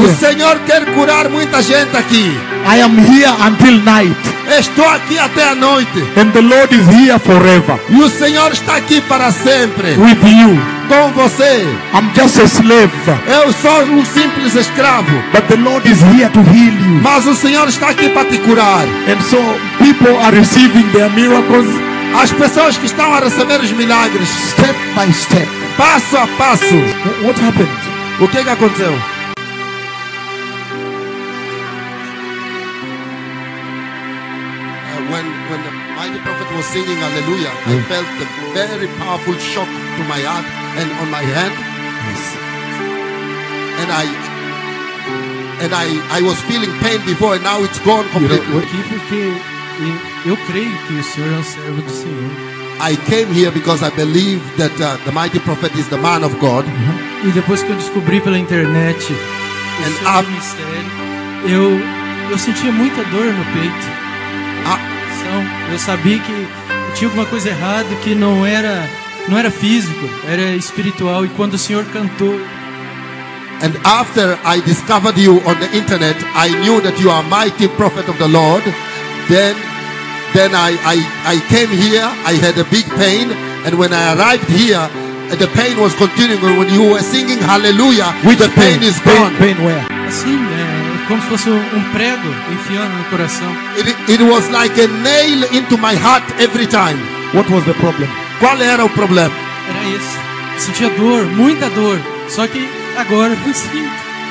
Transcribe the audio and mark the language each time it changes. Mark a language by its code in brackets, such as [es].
[pt] O Senhor quer curar muita gente aqui. [en] I am here until night. [pt] Estou aqui até a noite. [en] And the Lord is here forever. [pt] E o Senhor está aqui para sempre. [en] With you. [pt] Com você. [en] I'm just a slave. [pt] Eu sou simples escravo. [en] But the Lord is here to heal you. [pt] Mas o Senhor está aqui para te curar. [en] And so people are receiving their miracles. [pt] As pessoas que estão a receber os milagres, [en] step by step, [pt] passo a passo. [en] What happened? [pt] O que aconteceu? [en] When the mighty prophet was singing hallelujah, I felt a very powerful shock to my heart and on my hand. Yes. And I was feeling pain before and now it's gone completely. You know, [pt] eu creio que o Senhor é um servo do Senhor. [en] I came here because I believe that the mighty prophet is the man of God. [pt] Uh-huh. E depois que eu descobri pela internet o and seu ministério, eu sentia muita dor no peito. Eu sabia que tinha alguma coisa errada, que não era físico, era espiritual. E quando o Senhor cantou, [en] and after I discovered you on the internet, I knew that you are mighty prophet of the Lord. Then I came here, I had a big pain, and when I arrived here, the pain was continuing. When you were singing hallelujah, which the pain is gone. Pain where? [pt] Assim, como se fosse prego enfiando no coração. [en] It was like a nail into my heart every time. What was the problem? [pt] Qual era o problema? Era isso. Sentia dor, muita dor. Só que agora eu sinto.